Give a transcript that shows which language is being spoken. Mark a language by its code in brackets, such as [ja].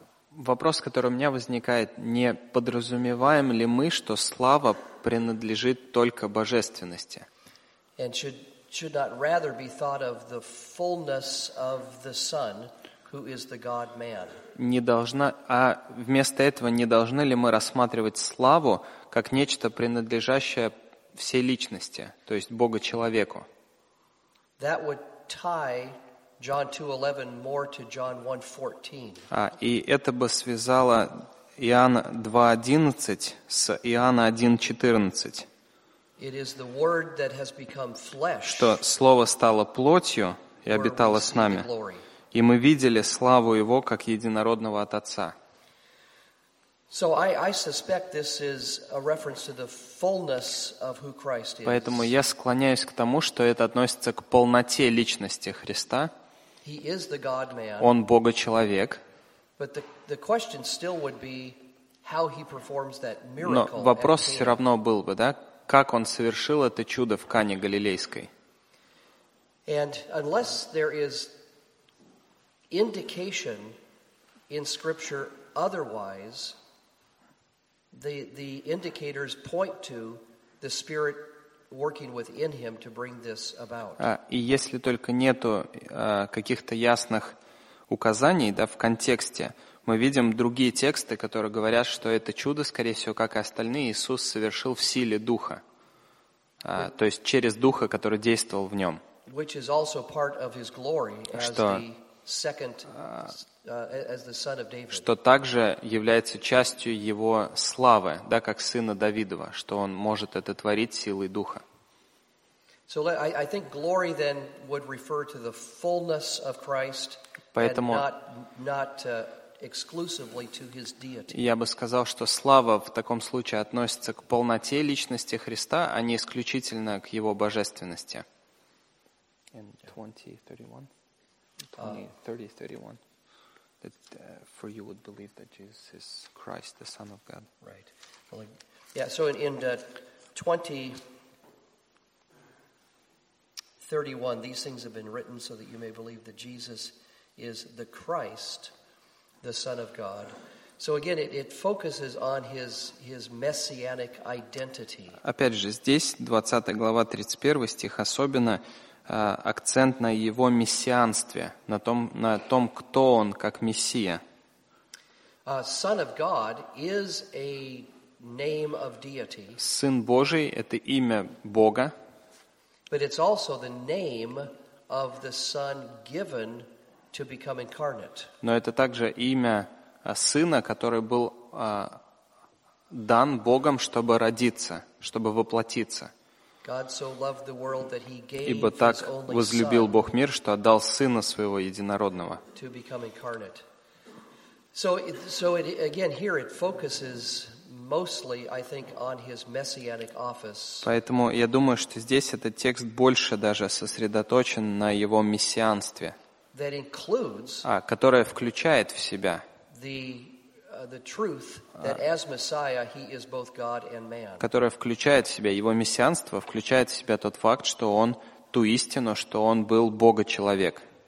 [ru] Вопрос, который у меня возникает, не подразумеваем ли мы, что слава принадлежит только божественности? [en] And should not rather be thought of the fullness of the Son, who is the God-man. [ru] Вместо этого не должны ли мы рассматривать славу как нечто принадлежащее всей личности, то есть Бога-человеку? [en] That would tie John 2:11 more to John 1:14. [ru] И это бы связало Иоанна 2:11 с Иоанна 1:14. [en] It is the word that has become flesh. [ru] Что слово стало плотью и обитало с нами. И мы видели славу Его как единородного от Отца. [en] So I suspect this is a reference to the fullness of who Christ is. [ru] Поэтому я склоняюсь к тому, что это относится к полноте личности Христа. [en] He is the God-man. [ru] Он Бога-человек. [en] But the question still would be how he performs that miracle. [ru] Но вопрос все равно был бы, да, как он совершил это чудо в Кане Галилейской. [en] And unless there is indication in Scripture otherwise, the indicators point to the Spirit working within him to bring this about. [ru] И если только нету каких-то ясных указаний, да, в контексте, мы видим другие тексты, которые говорят, что это чудо, скорее всего, как и остальные, Иисус совершил в силе Духа, то есть через Духа, который действовал в нем. [en] Which is also part of his glory as the second. As the son of David. [ru] Что также является частью его славы, да, как сына Давидова, что он может это творить силой Духа. [en] So I think glory then would refer to the fullness of Christ, [ru] поэтому, [en] and not exclusively to his deity. [ru] Я бы сказал, что слава в таком случае относится к полноте личности Христа, а не исключительно к его божественности. [en] In 30:31. That for you would believe that Jesus is Christ, the Son of God. Right. Well, yeah, so in 20:31, these things have been written so that you may believe that Jesus is the Christ, the Son of God. So again, it focuses on his messianic identity. [ru] Опять же, здесь, 20 глава, 31 стих, особенно акцент на его мессианстве, на том, кто он как мессия. [en] Son of God is a name of deity. [ru] Сын Божий — это имя Бога. [en] But it's also the name of the Son given to become incarnate. [ru] Но это также имя сына, который был дан Богом, чтобы родиться, чтобы воплотиться. [en] God so loved the world that he gave his only Son. [ru] Ибо так возлюбил Бог мир, что отдал Сына Своего Единородного. [en] To become incarnate. So it, again, here it focuses mostly, I think, on his messianic office. [ru] Поэтому я думаю, что здесь этот текст больше даже сосредоточен на его мессианстве. [en] That includes. [ru] Которое включает в себя. [en] The truth that as Messiah he is both God and man. [ru] Которое включает в себя его мессианство, включает в себя тот факт, что он ту истину, что он был Бога-человек.